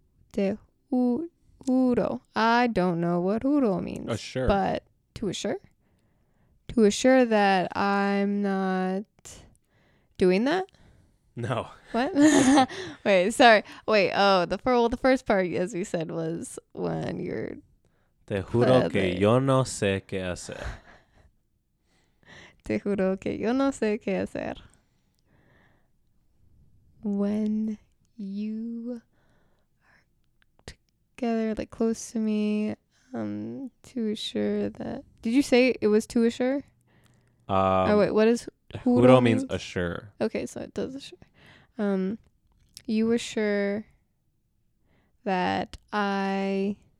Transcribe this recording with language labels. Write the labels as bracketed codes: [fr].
[es] Te juro. [en] I don't know what juro means. Assure. But, to assure? to assure that I'm not doing that? No. What? Wait, sorry. Wait, oh, the first part, as we said, was when you're... [es] Te juro que yo no sé qué hacer. Te juro que yo no sé qué hacer. [en] When you are together, like, close to me, to assure that... Did you say it was to assure? Oh, wait, what is... Juro means assure. Okay, so it does assure. You assure that I...